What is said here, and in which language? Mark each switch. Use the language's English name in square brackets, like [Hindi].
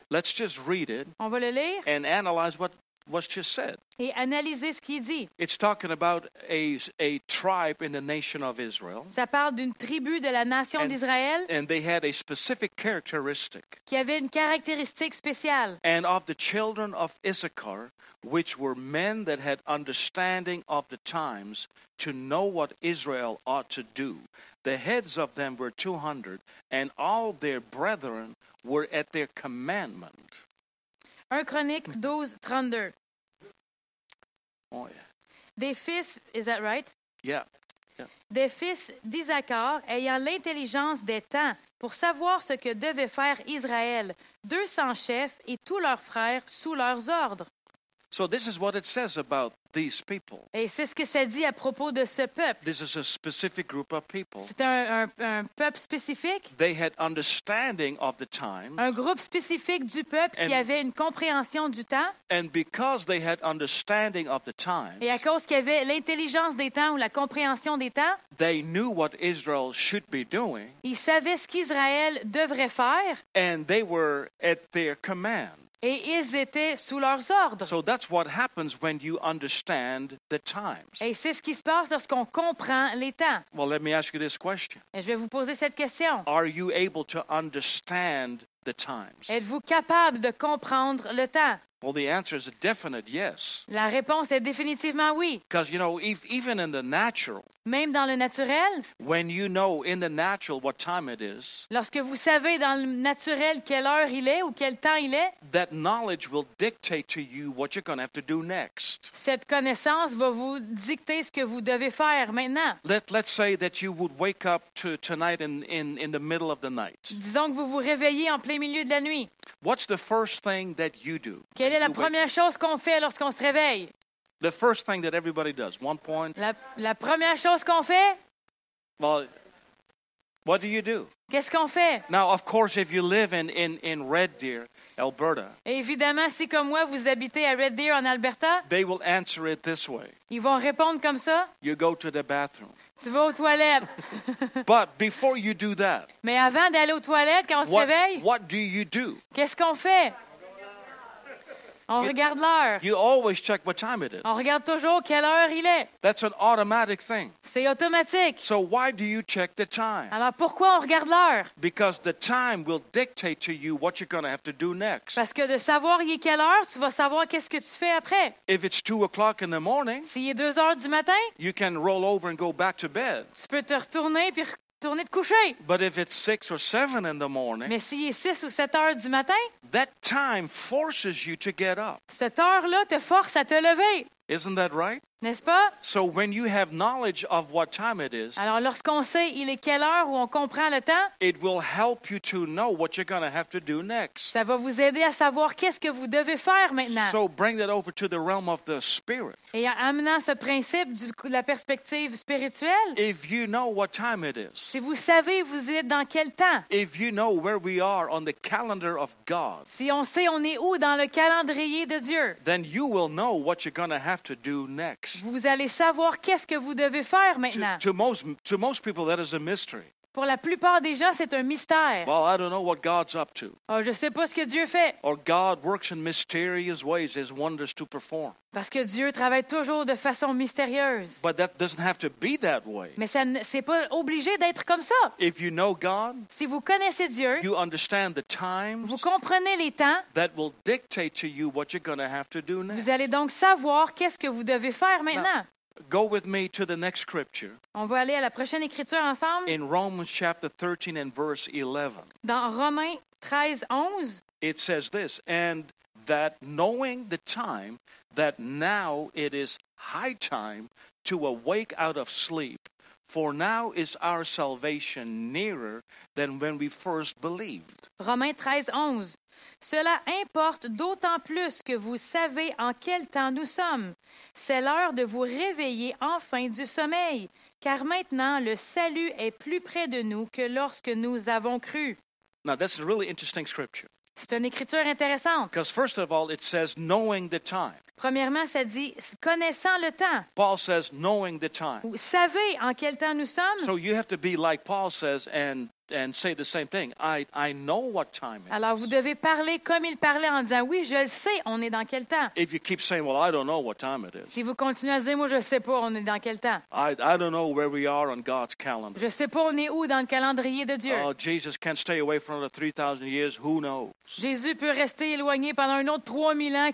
[English] Let's just read it. [French] On va le lire. [English] And analyze what was just said. [French] Et analyser ce qu'il dit. [English] It's talking about a tribe in the nation of Israel. [French] Ça parle d'une tribu de la nation d'Israël. [English] And they had a specific characteristic. [French] Qui avait une caractéristique spéciale. [English] And of the children of Issachar, which were men that had understanding of the times to know what Israel ought to do. The heads of them were 200, and all their brethren were at their commandment. [French] 1 Chronique 12, 32. [English] Oh, yeah. [French] Des fils, [English] is that right? Yeah. [French] Des fils d'Issachar ayant l'intelligence des temps pour savoir ce que devait faire Israël, 200 chefs et tous leurs frères sous leurs ordres. [English] So this is what it says about these people. [French] Et c'est ce que ça dit à propos de ce peuple. [English] This is a specific group of people. [French] C'est un peuple spécifique. [English] They had understanding of the times. [French] Un groupe spécifique du peuple qui avait une compréhension du temps. [English] And because they had understanding of the times. [French] Et à cause qu'il y avait l'intelligence des temps ou la compréhension des temps. [English] They knew what Israel should be doing. [French] Ils savaient ce qu'Israël devrait faire. [English] And they were at their command. [French] Et ils étaient sous leurs ordres. [English] So that's what happens when you understand the times. [French] Et c'est ce qui se passe lorsqu'on comprend les temps. [English] Well, let me ask you this question. [French] Et je vais vous poser cette question. [English] Are you able to understand the times? [French] Êtes-vous capable de comprendre le temps? [English] Well, the answer is a definite yes. [French] La réponse est définitivement oui. [English] Because, you know, even in the natural. [French] Même dans le naturel. [English] When you know in the natural what time it is. [French] Lorsque vous savez dans le naturel quelle heure il est ou quel temps il est. [English] That knowledge will dictate to you what you're going to have to do next. [French] Cette connaissance va vous dicter ce que vous devez faire maintenant. [English] Let's say that you would wake up tonight in the middle of the night. [French] Disons que vous vous réveillez en plein milieu de la nuit. [English] What's the first thing that you do? [French] Quelle est la première chose qu'on fait lorsqu'on se réveille? [English] The first thing that everybody does, one point. [French] La première chose qu'on fait? [English] Well, what do you do? [French] Qu'est-ce qu'on fait? [English] Now, of course, if you live in Red Deer, Alberta. [French] Évidemment, si comme moi, vous habitez à Red Deer en Alberta. [English] They will answer it this way. [French] Ils vont répondre comme ça. [English] You go to the bathroom. [French] Tu vas aux toilettes. [English] But before you do that. [French] Mais avant d'aller aux toilettes, quand on se réveille. [English] What do you do? [French] Qu'est-ce qu'on fait? On regarde l'heure. [English] You always check what time it is. [French] On regarde toujours quelle heure il est. [English] That's an automatic thing. [French] C'est automatique. [English] So why do you check the time? [French] Alors pourquoi on regarde l'heure? [English] Because the time will dictate to you what you're going to have to do next. [French] Parce que de savoir il est quelle heure, tu vas savoir qu'est-ce que tu fais après. [English] If it's 2 o'clock in the morning. [French] S'il est 2 heures du matin. [English] You can roll over and go back to bed. [French] Tu peux te retourner puis retourner te coucher. [English] But if it's 6 or 7 in the morning. [French] Mais s'il est 6 ou 7 heures du matin. [English] That time forces you to get up. [French] Cette heure-là te force à te lever. [English] Isn't that right? [French] N'est-ce pas? [English] So when you have knowledge of what time it is. [French] Alors lorsqu'on sait il est quelle heure ou on comprend le temps. [English] It will help you to know what you're going to have to do next. [French] Ça va vous aider à savoir qu'est-ce que vous devez faire maintenant. [English] So bring that over to the realm of the spirit. [French] Et amenant ce principe de la perspective spirituelle. [English] If you know what time it is. [French] Si vous savez vous êtes dans quel temps. [English] If you know where we are on the calendar of God. [French] Si on sait on est où dans le calendrier de Dieu. [English] Then you will know what you're going to have to do next. [French] Vous allez savoir qu'est-ce que vous devez faire maintenant. [English] To most people, that is a mystery. [French] Pour la plupart des gens, c'est un mystère. [English] Well, I don't know what God's up to. [French] Oh, je sais pas ce que Dieu fait. [English] Or God works in mysterious ways, His wonders to perform. [French] Parce que Dieu travaille toujours de façon mystérieuse. [English] But that doesn't have to be that way. [French] Mais ça c'est pas obligé d'être comme ça. [English] If you know God, [French] si vous connaissez Dieu, [English] you understand the times, [French] vous comprenez les temps, [English] that will dictate to you what you're going to have to do next. [French] Vous allez donc savoir qu'est-ce que vous devez faire maintenant. [English] Now, go with me to the next scripture. [French] On va aller à la prochaine écriture ensemble. [English] In Romans chapter 13 and verse 11. [French] Dans Romains 13, 11. [English] It says this, and that knowing the time, that now it is high time to awake out of sleep, for now is our salvation nearer than when we first believed. [French] Romains 13, 11. Cela importe d'autant plus que vous savez en quel temps nous sommes. C'est l'heure de vous réveiller enfin du sommeil, car maintenant le salut est plus près de nous que lorsque nous avons cru. [English] Now, that's a really interesting scripture. [French] C'est une écriture intéressante. [English] Because first of all, it says knowing the time. [French] Premièrement, ça dit connaissant le temps. [English] Paul says knowing the time. [French] Vous savez en quel temps nous sommes. [English] So you have to be like Paul says and say the same thing. I know what time it is. [French] Alors vous devez parler comme il parlait en disant oui, je le sais, on est dans quel temps. [English] If you keep saying well, I don't know what time it is. [French] Si vous continuez à dire moi je sais pas, on est dans quel temps. [English] I don't know where we are on God's calendar. [French] Je sais pas on est où dans le calendrier de Dieu. [English] Jesus can stay away for another 3,000 years. Who knows? [French] Jésus peut rester éloigné pendant un autre 3,000 ans.